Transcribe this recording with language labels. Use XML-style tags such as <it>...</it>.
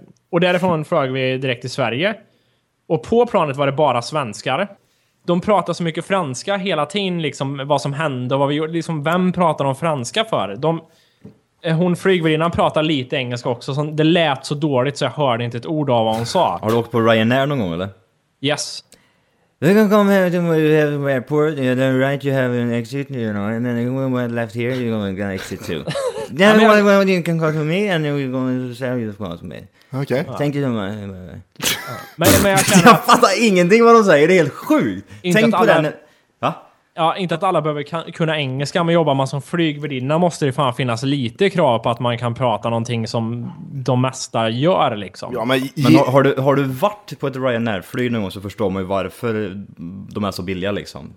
<sv>Och därifrån frågade vi direkt till Sverige. Och på planet var det bara svenskar. De pratade så mycket franska hela tiden, liksom vad som hände och vad vi gjorde. Liksom, vem pratar de franska för? Hon flygvärdinnan pratade lite engelska också. Så det lät så dåligt så jag hörde inte ett ord av vad hon sa. Har du åkt på Ryanair någon gång, eller?</sv> <en>Yes. We can come here to the airport, you know, right, you have an exit, you know, and then you can go left here, you can go exit too. Then I mean, well, you can call to me, and then we're going to sell you the call to me. Okay. Thank you so much.</en> <sv>Men jag känner jag fattar ingenting vad de säger, det är helt sjukt. Tänk på den. Va? Ja, inte att alla behöver kunna engelska, men jobbar man som flygvärdinna måste det fan finnas lite krav på att man kan prata någonting som de mesta gör, liksom. Ja, men har du varit på ett Ryanair-flyg någon gång så förstår man ju varför de är så billiga, liksom.</sv>